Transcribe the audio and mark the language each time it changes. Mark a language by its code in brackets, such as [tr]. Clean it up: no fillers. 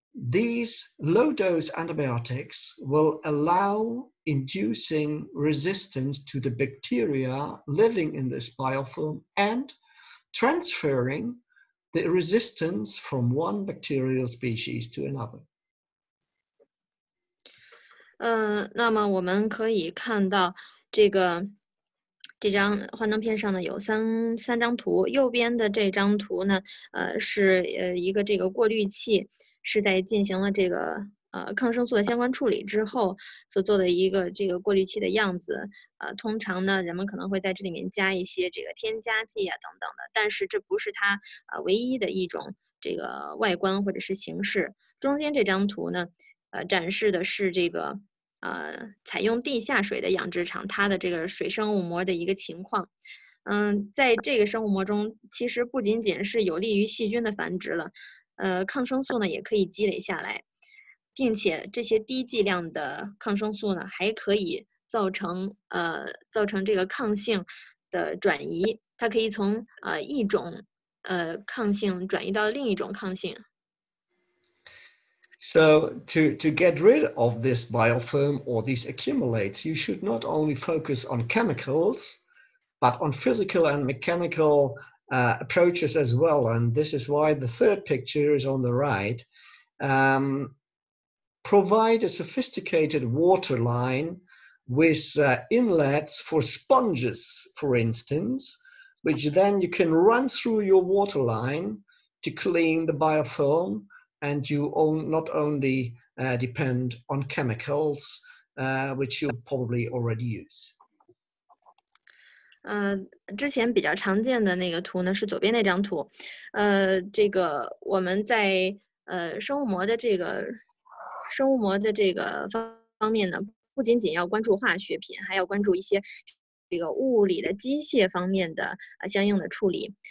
[en] These low-dose antibiotics will allow inducing resistance to the bacteria living in this biofilm and transferring the resistance from one bacterial species to another. [zh] 那么我们可以看到这张幻灯片上呢有三张图，右边的这张图呢，是一个这个过滤器，是在进行了这个抗生素的相关处理之后所做的一个这个过滤器的样子。通常呢，人们可能会在这里面加一些这个添加剂啊等等的，但是这不是它唯一的一种这个外观或者是形式。中间这张图呢，展示的是这个。采用地下水的养殖场，它的这个水生物膜的一个情况。在这个生物膜中，其实不仅仅是有利于细菌的繁殖了，抗生素呢也可以积累下来，并且这些低剂量的抗生素呢还可以造成这个抗性的转移，它可以从一种抗性转移到另一种抗性。 [en] So to get rid of this biofilm or these accumulates, you should not only focus on chemicals, but on physical and mechanical approaches as well. And this is why the third picture is on the right. Provide a sophisticated water line with inlets for sponges, for instance, which then you can run through your water line to clean the biofilm. And you not only depend on chemicals, which you probably already use. [zh] 之前比较常见的那个图呢是左边那张图，这个我们在生物膜的这个方面呢，不仅仅要关注化学品，还要关注一些这个物理的机械方面的相应的处理。